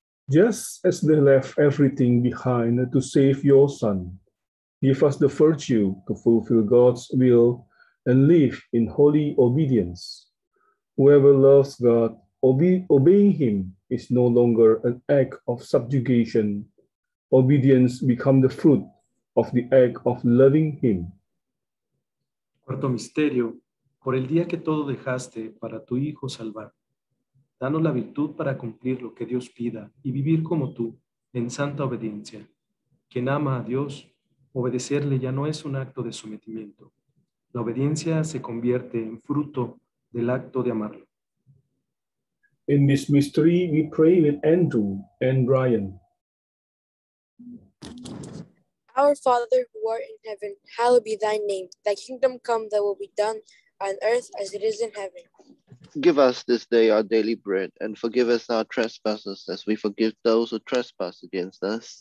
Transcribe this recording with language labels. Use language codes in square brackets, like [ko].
[en] Just as they left everything behind to save your son, give us the virtue to fulfill God's will and live in holy obedience. Whoever loves God, obeying him is no longer an act of subjugation. Obedience becomes the fruit of the act of loving him. [es] Cuarto misterio, por el día que todo dejaste para tu hijo salvar. Danos la virtud para cumplir lo que Dios pida y vivir como tú, en santa obediencia. Quien ama a Dios, obedecerle ya no es un acto de sometimiento. La obediencia se convierte en fruto del acto de amarlo. [en] In this mystery, we pray with Andrew and Ryan. Our Father who art in heaven, hallowed be thy name. Thy kingdom come, thy will be done on earth as it is in heaven. Give us this day our daily bread, and forgive us our trespasses, as we forgive those who trespass against us.